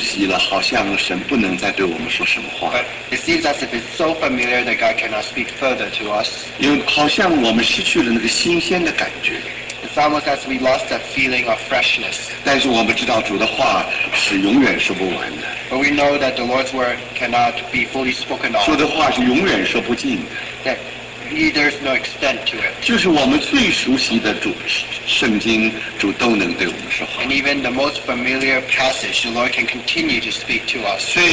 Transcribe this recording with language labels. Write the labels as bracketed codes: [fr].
[zh] 刚才我们所读的圣经是大家最熟悉的，它太熟悉了，好像神不能再对我们说什么话。 [en] But it seems as if it's so familiar that God cannot speak further to us. [zh] 因为好像我们失去了那个新鲜的感觉。 [en] It's almost as we lost that feeling of freshness. [zh] 但是我们知道主的话是永远说不完的。 [en] But we know that the Lord's word cannot be fully spoken of. [zh] 说的话是永远说不尽的。 [en] There's no extent to it. [zh] 就是我们最熟悉的主圣经，主都能对我们说话。 [en] And even the most familiar passage, the Lord can continue to speak to us.